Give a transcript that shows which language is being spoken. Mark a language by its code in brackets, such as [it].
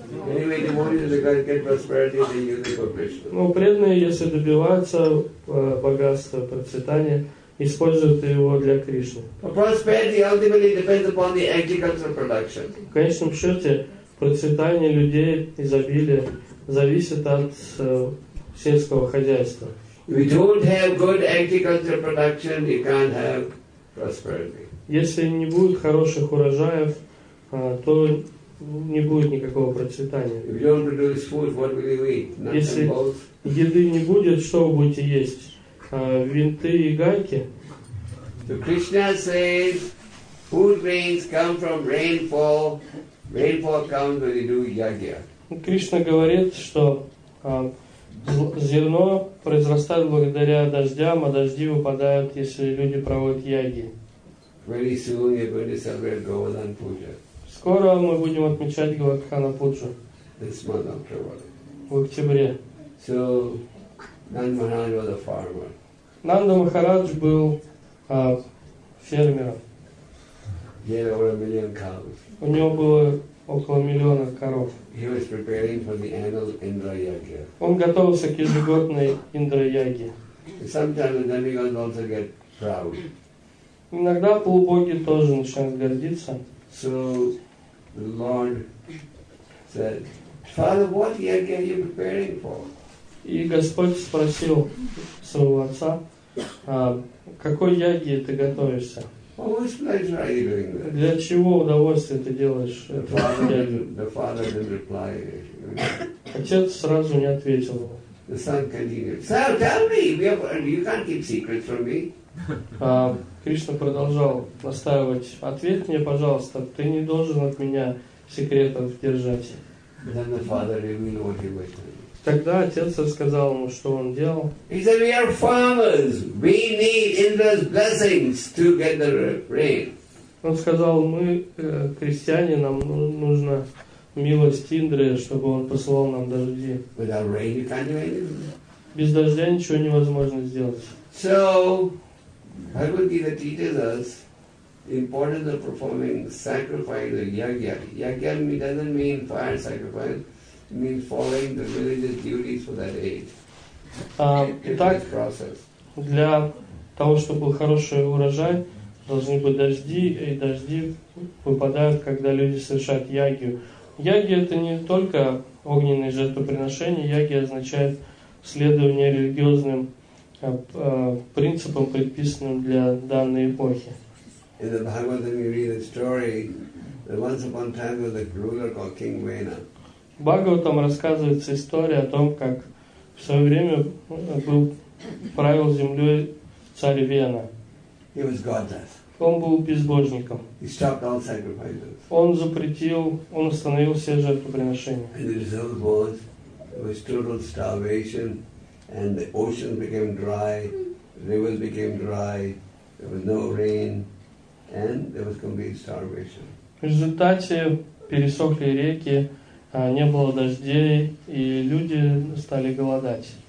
[en] Anyway, the more you get prosperity, then you get prosperity. [ru] Ну, преданные, если добиваются богатства, процветания, используют его для Кришны. [en] Prosperity ultimately depends upon the agricultural production. [ru] В конечном счете, процветание людей, изобилие, зависит от сельского хозяйства. [en] If you don't have good agricultural production, you can't have prosperity. [ru] Если не будет хороших урожаев, то не будет никакого процветания. [en] If you don't produce food, what will you eat? Nuts [ru] Если [en] and bolts? [ru] Еды не будет, что вы будете есть? Винты и гайки. [en] So Krishna says, food grains come from rainfall. Rainfall comes when you do yagya. [ru] Кришна говорит, что зерно произрастает благодаря дождям, а дожди выпадают, если люди проводят яги. [en] Very soon we're going to celebrate Govardhan Puja. [ru] Скоро мы будем отмечать Говардхана Пуджу. [en] This month of February. [ru] В октябре. [en] So Nanda Maharaj was a farmer. [ru] Нанда Махарадж был фермером. [en] Yeah, over a million cows. [ru] У него было около миллиона коров. [en] He was preparing for the annual Indra Yagya. [ru] Он готовился к ежегодной Индра Яге. [en] Sometimes the demigods also get proud. [ru] Иногда полубоги тоже начинают гордиться. [en] So the Lord said, Father, what Yagya are you preparing for? [ru] И Господь спросил своего отца, какой Яги ты готовишься? Для чего удовольствие ты делаешь? [en] The father didn't reply. [ru] Отец сразу не ответил. [en] The son continued. Sir, tell me. You can't keep secrets from me. [ru] Кришна продолжал настаивать. Ответь мне, пожалуйста. Ты не должен от меня секретов держать. [en] Then the father revealed what he was doing. [ru] Тогда отец рассказал ему, что он делал. [en] He said, we are farmers. We need Indra's blessings to get the rain. [ru] Он сказал, мы крестьяне, нам нужна милость Индры, чтобы он послал нам дожди. [en] Without rain, you can't do anything. [ru] Без дождя ничего невозможно сделать. [en] So, Bhagavad-gita teaches us the importance of performing sacrifice of yagya. Yagya doesn't mean fire sacrifice. It means following the religious duties for that age. [ru] Итак, для того, чтобы был хороший урожай, должны быть дожди, и дожди выпадают, когда люди совершают ягью. Ягья — это не только огненные жертвоприношения, ягья означает следование религиозным принципам, предписанным для данной эпохи. [en] In the Bhagavatam you read a story that once upon a time was a ruler called King Vena. [ru] В Бхагаватам рассказывается история о том, как в свое время был правил землей царь Вена. [en] He was godless. [ru] Он был безбожником. [en] He stopped all sacrifices. [ru] Он запретил, он остановил все жертвоприношения. [en] And the result was, it was total starvation, and the ocean became dry, rivers became dry, there was no rain, and there was complete starvation. [ru] В результате пересохли реки, не было дождей, и люди стали голодать.